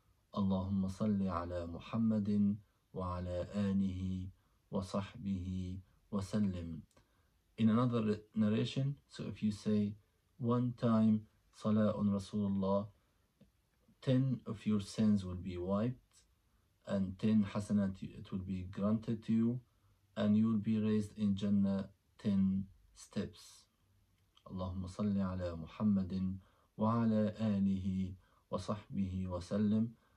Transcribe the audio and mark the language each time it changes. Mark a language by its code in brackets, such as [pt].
[ar] اللهم صل على محمد وعلى آله وصحبه وسلم. [en] In another narration, so if you say one time salah on Rasulullah, 10 of your sins will be wiped and 10 hasanat it will be granted to you and you will be raised in Jannah 10 steps. [ar] اللهم صل على محمد وعلى آله وصحبه وسلم.